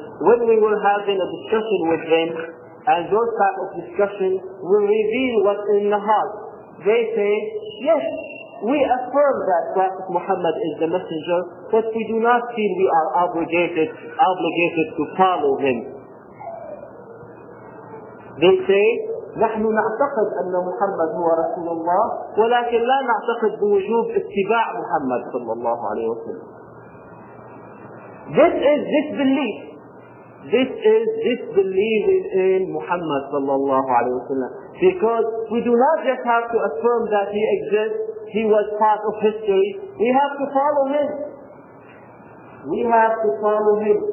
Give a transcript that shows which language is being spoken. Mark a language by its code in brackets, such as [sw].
[en] When we were having a discussion with them, and those type of discussions will reveal what's in the heart, they say, yes, we affirm that Prophet Muhammad is the messenger, but we do not feel we are obligated to follow him. [ar] They say, نحن نعتقد أن محمد هو رسول الله ولكن لا نعتقد بوجوب اتباع محمد صلى الله عليه وسلم. [en] This is disbelief. This is disbelieving in Muhammad صلى الله عليه وسلم. Because we do not just have to affirm that he exists, he was part of history. We have to follow him. We have to follow him.